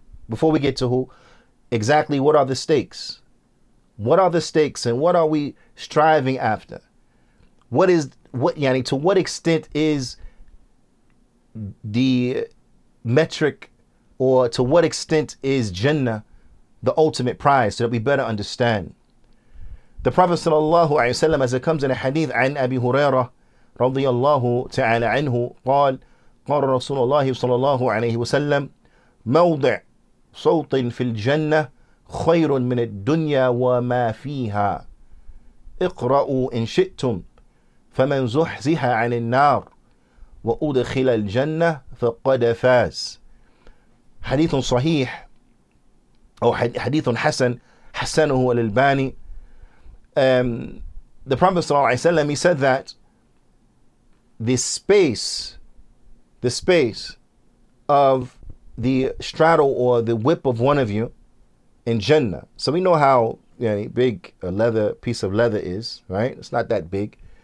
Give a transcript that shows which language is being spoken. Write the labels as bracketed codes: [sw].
[en] Before we get to who, exactly what are the stakes? What are the stakes and what are we striving after? To what extent is the metric, or to what extent is Jannah the ultimate prize, so that we better understand? The Prophet sallallahu alayhi wa sallam, as it comes in a hadith, [ar] عن أبي هريرة رضي الله تعالى عنه قال قال رسول الله صلى الله عليه وسلم موضع صوت في الجنة خير من الدنيا وما فيها اقرأوا إن شئتم فمن زحزح عن النار وأدخل الجنة فقد فاز. حديث صحيح أو حديث حسن حسنه الألباني. [en] The Prophet [ar] صلى الله عليه وسلم, [en] he said that the space of the straddle or the whip of one of you in Jannah. So we know how big a leather piece of leather is, right? It's not that big.